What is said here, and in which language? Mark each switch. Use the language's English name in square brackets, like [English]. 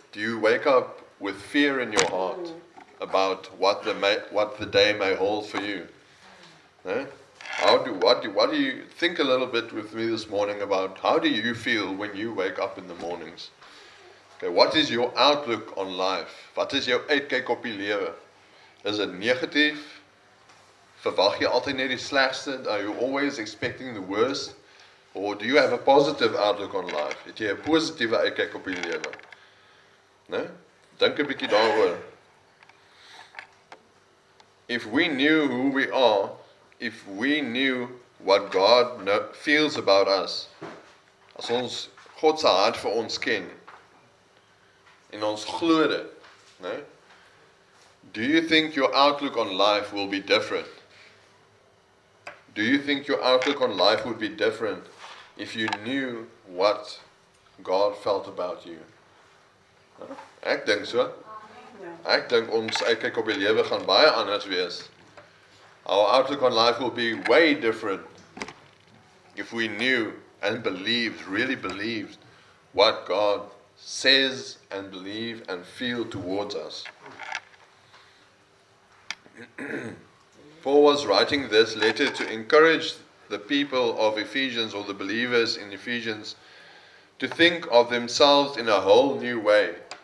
[English] Do you wake up with fear in your heart about what the day may hold for you? Huh? What do you think a little bit with me this morning about how do you feel when you wake up in the mornings? Okay, what is your outlook on life? [Afrikaans] Wat is jou uitkyk op die lewe? [English] Is it [Afrikaans] negatief? Verwag jy altyd net die slegste? [English] Are you always expecting the worst? Or do you have a positive outlook on life? [Afrikaans] Het jy 'n positiewe uitkyk op die lewe? Né? Dink 'n bietjie daaroor. [English] If we knew who we are, if we knew what God feels about us, [Afrikaans] as ons God se hart vir ons ken, en ons glo dit, né? [English] Do you think your outlook on life will be different? Do you think your outlook on life would be different if you knew what God felt about you? [Afrikaans] Ek dink so. Ek dink ons uitkyk op die lewe gaan baie anders wees. [English] Our outlook on life will be way different if we knew and believed, really believed, what God says and believe and feel towards us. Paul was writing this letter to encourage the people of Ephesians or the believers in Ephesians to think of themselves in a whole new way.